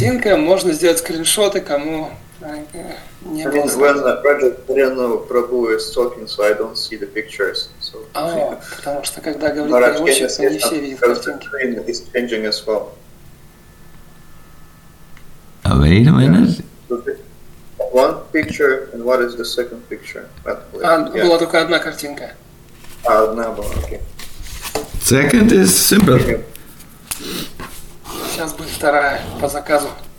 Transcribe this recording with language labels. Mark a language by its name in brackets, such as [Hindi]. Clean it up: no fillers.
[Russian] Картинка, можно сделать скриншоты, кому... [English] I mean, when Rajarino Prabhu is talking, so I don't see the pictures. So. [Russian] Потому что когда говорит переводчик, то не все видят картинки. [English] Is changing as well. Wait a minute. Yes. One picture, and what is the second picture? Yeah. [Russian] Была только одна картинка. Одна была, okay. [English] Second is simple. [Russian] Сейчас будет вторая по заказу.